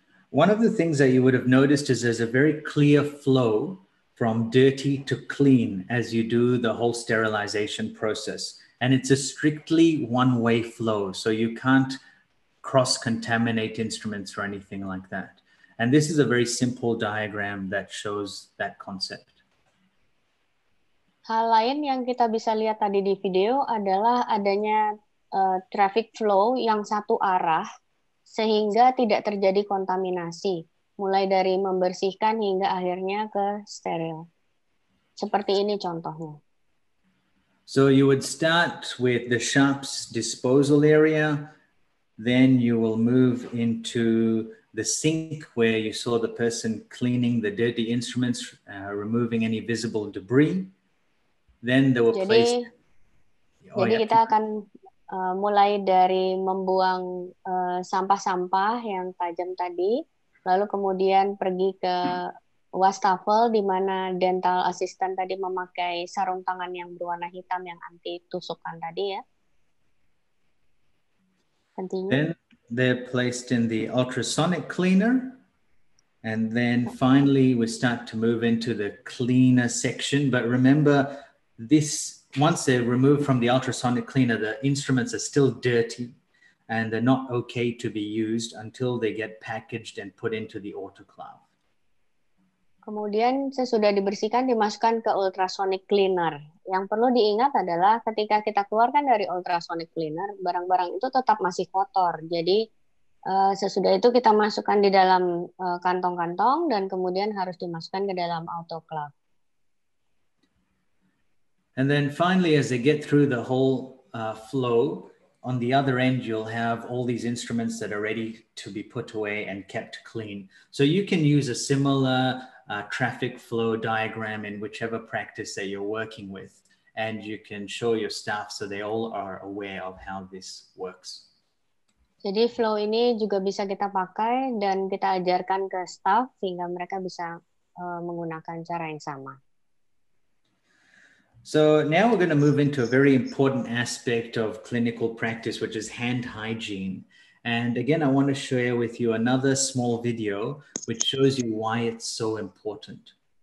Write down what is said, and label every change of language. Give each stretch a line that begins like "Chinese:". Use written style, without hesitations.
English: One of the things that you would have noticed is there's a very clear flow from dirty to clean as you do the whole sterilization process. And it's a strictly one-way flow. So you can't cross-contaminate instruments or anything like that. And this is a very simple diagram that shows that concept.
Indonesian: Hal lain yang kita bisa lihat tadi di video adalah adanya traffic flow yang satu arah sehingga tidak terjadi kontaminasi, mulai dari membersihkan hingga akhirnya ke steril. Seperti ini contohnya.
English: So you would start with the sharps disposal area, then you will move into the sink where you saw the person cleaning the dirty instruments, removing any visible debris. Then they were placed.
Indonesian: Kita akan mulai dari membuang sampah-sampah yang tajam tadi, lalu kemudian pergi ke wastafel di mana dental assistant tadi memakai sarung tangan yang berwarna hitam yang anti tusukan tadi ya.
English: Continue. Then they're placed in the ultrasonic cleaner, and then finally we start to move into the cleaner section. But remember, this, once they're removed from the ultrasonic cleaner, the instruments are still dirty and they're not okay to be used until they get packaged and put into the autoclave.
Indonesian: Kemudian sesudah dibersihkan dimasukkan ke ultrasonic cleaner. Yang perlu diingat adalah ketika kita keluarkan dari ultrasonic cleaner, barang-barang itu tetap masih kotor. Jadi sesudah itu kita masukkan di dalam kantong-kantong dan kemudian harus dimasukkan ke dalam autoclave.
English: And then finally, as they get through the whole flow, on the other end, you'll have all these instruments that are ready to be put away and kept clean. So you can use a similar traffic flow diagram in whichever practice that you're working with, and you can show your staff so they all are aware of how this works.
Indonesian: Jadi flow ini juga bisa kita pakai dan kita ajarkan ke staff sehingga mereka bisa menggunakan cara yang sama.
English: So now we're going to move into a very important aspect of clinical practice, which is hand hygiene. And again, I want to share with you another small video which shows you why it's so important.